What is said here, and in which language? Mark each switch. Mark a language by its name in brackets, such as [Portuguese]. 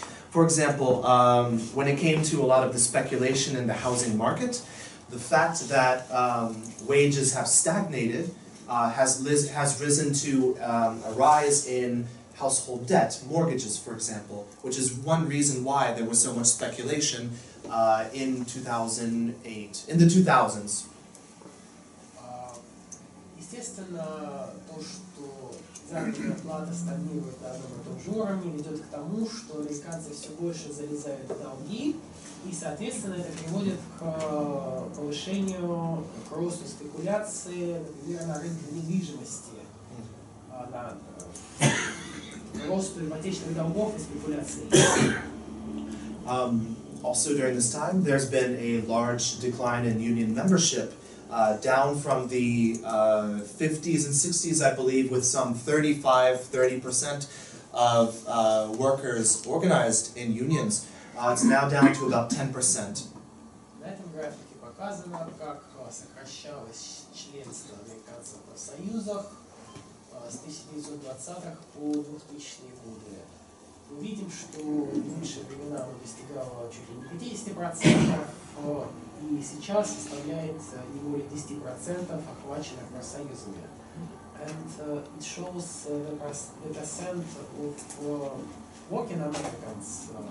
[English] For example, when it came to a lot of the speculation in the housing market, the fact that wages have stagnated has risen to a rise in household debt, mortgages, for example, which is one reason why there was so much speculation in 2008, in the 2000s. [Russian] Естественно, то, что заработная плата стагнирует на одном и том же уровне, ведет к тому, что американцы все больше залезают в долги, и, соответственно, это приводит к повышению, к росту спекуляции, например, на рынке недвижимости, на росту ипотечных долгов и спекуляции. [English] Also during this time, there's been a large decline in union membership, down from the 50s and 60s, I believe, with some 35-30% of workers organized in unions. It's now down to about 10%. [Russian] На этом графике показано, как сокращалось членство американцев в профсоюзах с 1920-х по 2000-е годы. Мы видим, что лучшие времена оно достигало чуть ли не 50%, и сейчас составляет не более 10% охваченных профсоюзами. [English] And it shows the percent of working Americans